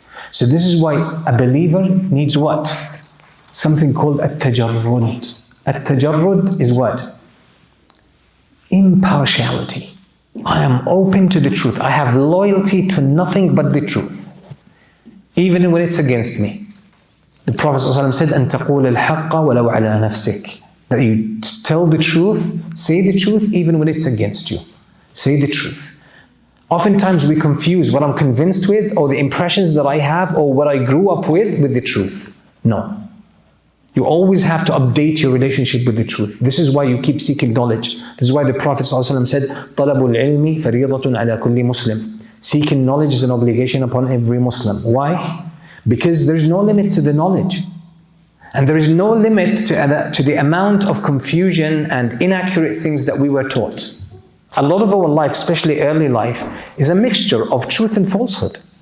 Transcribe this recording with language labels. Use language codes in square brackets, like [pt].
[en] So this is why a believer needs what? Something called at-tajarrud. At-tajarrud is what? Impartiality. I am open to the truth. I have loyalty to nothing but the truth. Even when it's against me. The Prophet ﷺ said, [ar] أَنْتَقُولَ الْحَقَّ وَلَوْ عَلَىٰ نَفْسِكَ. [en] That you tell the truth, say the truth, even when it's against you. Say the truth. Oftentimes we confuse what I'm convinced with, or the impressions that I have, or what I grew up with the truth. No. You always have to update your relationship with the truth. This is why you keep seeking knowledge. This is why the Prophet ﷺ said, [ar] طَلَبُ الْعِلْمِ فَرِيضَةٌ عَلَىٰ كُلِّ مُسْلِمٍ. [en] Seeking knowledge is an obligation upon every Muslim. Why? Because there's no limit to the knowledge. And there is no limit to the amount of confusion and inaccurate things that we were taught. A lot of our life, especially early life, is a mixture of truth and falsehood.